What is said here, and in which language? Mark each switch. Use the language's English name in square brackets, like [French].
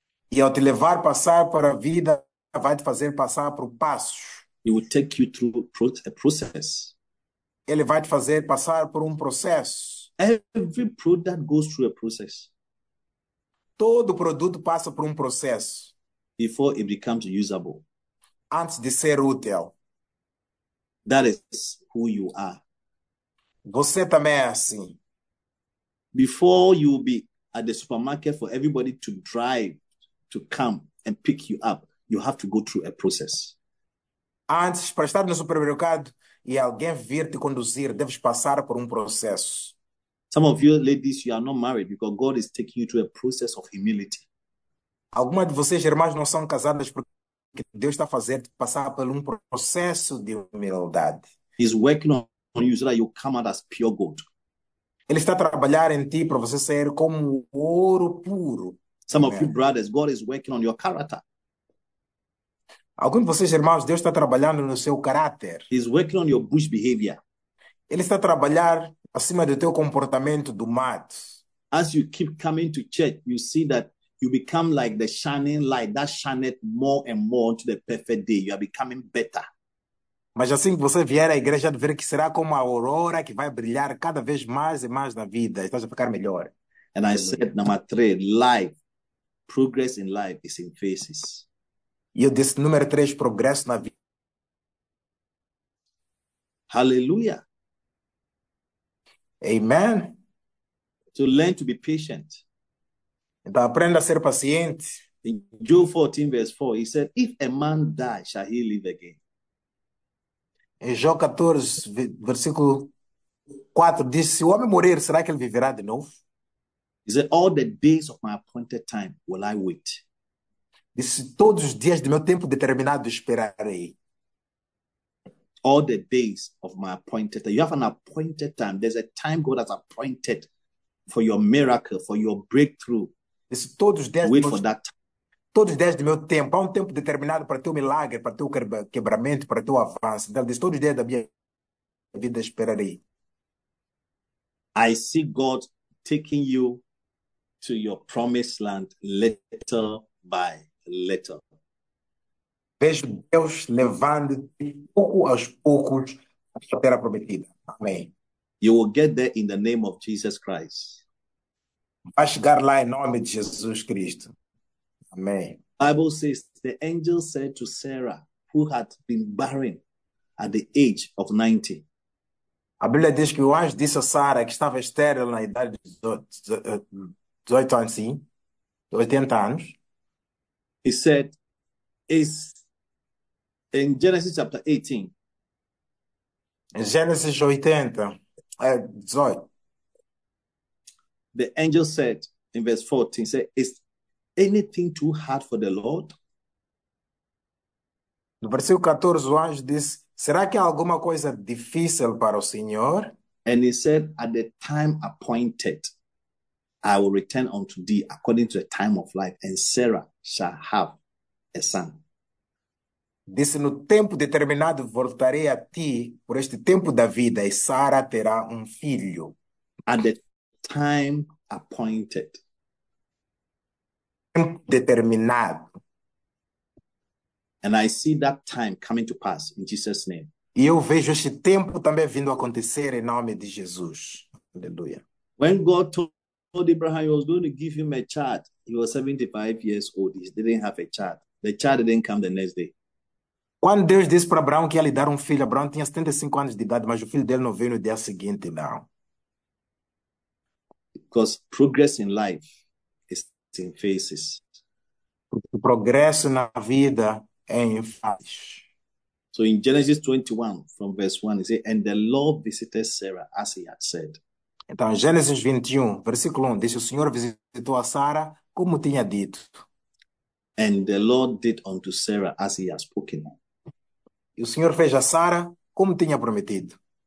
[Portuguese] E ao te levar passar para a vida, vai te fazer passar por passos. [English] He will take you through a process. [Portuguese] Ele vai te fazer passar por um processo. [English] Every product goes through a process. [Portuguese] Todo produto passa por um processo. [English] Before it becomes usable. [Portuguese] Antes de ser útil. [English] That is who you are. [Portuguese] Você também é assim. [English] Before you be at the supermarket for everybody to drive, to come and pick you up, you have to go through a process. [Portuguese] Antes, para estar no supermercado e alguém vir te conduzir, deves passar por um processo. [English] Some of you ladies, you are not married because God is taking you through a process of humility. [Portuguese] Algumas de vocês, irmãs, não são casadas porque Deus está fazendo passar por um processo de humildade. [English] He's working on you so that you come out as pure gold. [Portuguese] Ele está trabalhando em ti para você sair como ouro puro. [English] Some of you brothers, God is working on your character. [Portuguese] Alguns de vocês, irmãos, Deus está trabalhando no seu caráter. [English] He's working on your bush behavior. [Portuguese] Ele está a trabalhar acima do teu comportamento do mato. [English] As you keep coming to church, you see that you become like the shining light that shineth more and more to the perfect day. You are becoming better. [Portuguese] Mas assim que você vier à igreja, de ver que será como a aurora que vai brilhar cada vez mais e mais na vida. Estás a ficar melhor. [English] And I said, number three, life, progress in life is in faces. [Portuguese] E eu disse, número três, progresso na vida. [English] Hallelujah. Amen. To learn to be patient. [Portuguese] Então aprenda a ser paciente. [English] In Job 14, verse 4, he said, if a man die, shall he live again? [Portuguese] Em Jó 14, versículo 4, diz, se o homem morrer, será que ele viverá de novo? [English] He said, all the days of my appointed time will I wait. [Portuguese] Disse, todos os dias do meu tempo determinado esperarei. [English] All the days of my appointed time. You have an appointed time. There's a time God has appointed for your miracle, for your breakthrough. [Portuguese] Disse, todos os dias [English] Wait [Portuguese] do [English] for that time. [Portuguese] Todos os dias do meu tempo. Há um tempo determinado para teu milagre, para teu quebramento, para teu avanço. Então, disse, todos os dias da minha vida esperarei. [English] I see God taking you to your promised land little by little. [Portuguese] Vejo Deus levando-te pouco aos poucos à terra prometida. Amém. [English] You will get there in the name of Jesus Christ. [Portuguese] Vai chegar lá em nome de Jesus Cristo. Amém. [English] Bible says the angel said to Sarah, who had been barren at the age of 90. [Portuguese] A Bíblia diz que o anjo disse a Sara que estava estéril na idade de 18 anos, sim, de 80 anos. [English] He said, is in Genesis chapter 18. [Portuguese] Gênesis 80, 18. [English] The angel said in verse 14, said, is anything too hard for the Lord? [Portuguese] No versículo 14, o anjo disse, será que há alguma coisa difícil para o Senhor? [English] And he said, at the time appointed, I will return unto thee according to the time of life, and Sarah shall have a son. [Portuguese] Disse, no tempo determinado voltarei a ti por este tempo da vida e Sara terá um filho. [English] At the time appointed. [Portuguese] Tempo determinado. [English] And I see that time coming to pass in Jesus' name. [Portuguese] E eu vejo este tempo também vindo a acontecer em nome de Jesus. Aleluia. [English] When God told Abraham he was going to give him a child, he was 75 years old, he didn't have a child. The child didn't come the next day. [Portuguese] Quando Deus disse para Abraão que ia lhe dar um filho, Abraão tinha 75 anos de idade, mas o filho dele não veio no dia seguinte, não. [English] Because progress in life is in phases. [Portuguese] O progresso na vida é em fases. [English] So in Genesis 21, from verse 1, it says, and the Lord visited Sarah as he had said. [Portuguese] Então, Gênesis 21, versículo 1, diz: O Senhor visitou a Sara como tinha dito. [English] and the Lord did unto Sarah as he had spoken. [Portuguese] E o Senhor fez a Sara como tinha prometido.